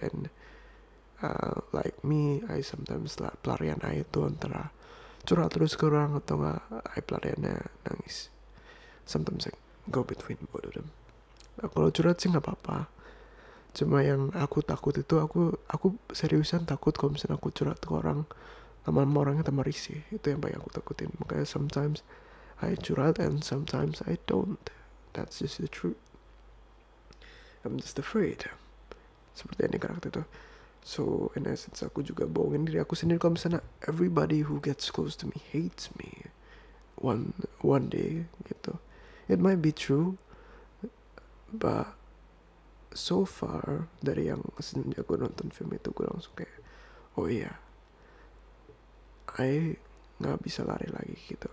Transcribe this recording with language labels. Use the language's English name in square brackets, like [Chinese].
[English] And like me, I sometimes [Indonesian] pelarian I itu antara curhat terus ke orang atau enggak, I pelariannya nangis. [English] Sometimes I go between both of them. [Indonesian] Nah, kalau curhat sih enggak apa-apa. Cuma yang aku takut itu, aku seriusan takut kalau misalnya aku curhat ke orang, lama-lama orangnya tambah risih. Itu yang banyak aku takutin. [English] Makanya sometimes I curhat and sometimes I don't. That's just the truth. I'm just afraid. [Indonesian] Seperti ini karakter itu. [English] So in essence [Indonesian] aku juga bohongin diri aku sendiri. Kalau misalnya [English] everybody who gets close to me hates me one day gitu. It might be true. But so far [Indonesian] dari yang sejak gue nonton film itu, gue langsung kayak, oh iya, I gak bisa lari lagi gitu.